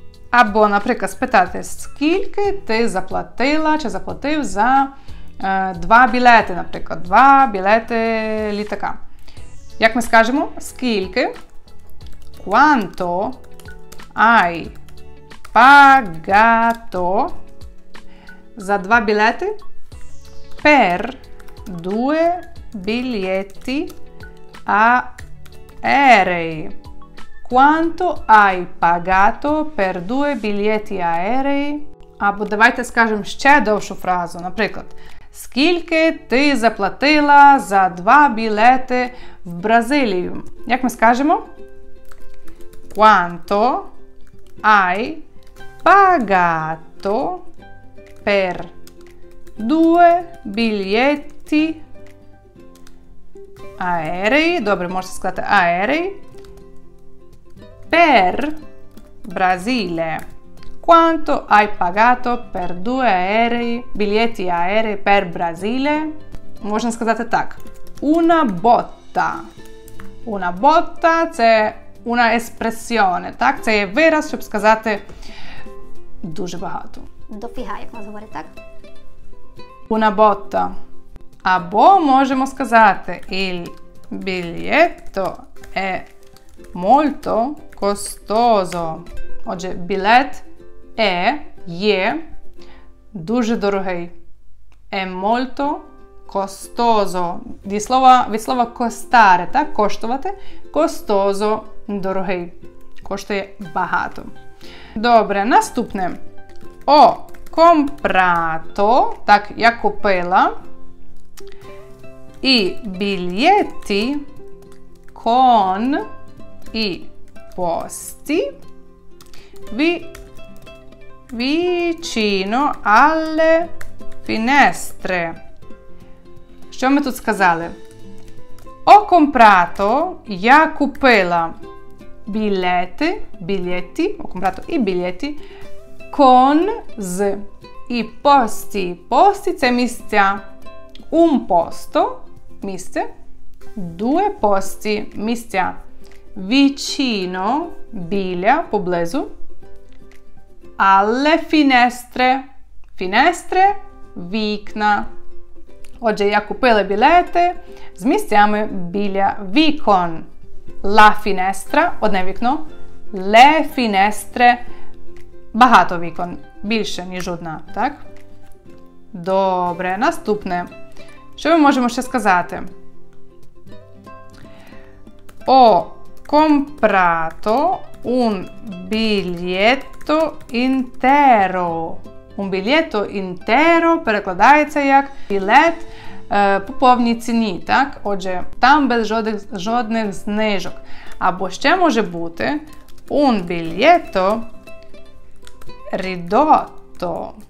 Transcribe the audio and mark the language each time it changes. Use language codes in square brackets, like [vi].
[uk] Або, наприклад, спитати, скільки ти заплатила чи заплатив за два білети, наприклад. Два білети літака. Як ми скажемо? Скільки? [it] Quanto? Hai pagato [uk] за два білети? [it] Per due biglietti aerei. Quanto hai pagato per due biglietti aerei? [uk] Або давайте скажемо ще довшу фразу, наприклад. Скільки ти заплатила за два білети в Бразилію? Як ми скажемо? [it] quanto hai pagato per due biglietti aerei, dovremmo morse scusate, aerei per Brasile. Quanto hai pagato per due aerei, biglietti aerei per Brasile? [uk] Можно сказати так. [it] Una botta. Una botta, це una espressione, так? [uk] Це вираз, щоб сказати дуже багато. Дофіга, як можна говорити, так? [it] Una botta. [uk] Або можемо сказати [it] il biglietto è molto costoso. [uk] Отже, білет è, є, дуже дорогий. [it] È molto costoso. [uk] Di слова, від слова costare, так? Коштувати. [it] Costoso, дорогий. [uk] Коштує багато. Добре, наступне. [it] Ho comprato, [uk] так, я купила, [it] i biglietti con i posti vicino alle finestre. [uk] Що ми тут сказали? [it] Ho comprato, [uk] я купила [it] biglietti, ho comprato i biglietti con z i posti. [uk] Posti це місця. [it] Un posto, місце. Due posti, місця. Vicino, [uk] біля, поблизу. [it] Alle finestre. [uk] Finestre, вікна. Отже, я купила білети з місцями біля вікон. [it] La finestra, [uk] одне вікно. [it] Le finestre, [uk] багато вікон. Більше, ніж одна, так? Добре, наступне. Що ми можемо ще сказати? [it] Ho comprato un biglietto intero. Un biglietto intero [uk] перекладається як білет по повній ціні, так? Отже, там без жодних знижок. Або ще може бути [it] un biglietto ridotto.